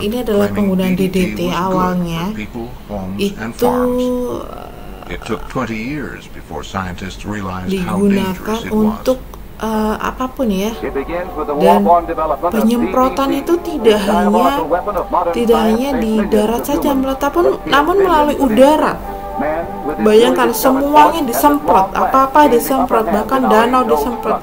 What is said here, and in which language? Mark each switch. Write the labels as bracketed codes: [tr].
[id] ini adalah penggunaan DDT awalnya. Itu [en] it took 20 years before scientists realized how dangerous it was. [id] Digunakan untuk apapun ya. Dan penyemprotan itu tidak hanya di darat saja namun melalui udara. Bayangkan semuanya disemprot, apa-apa disemprot, bahkan danau disemprot.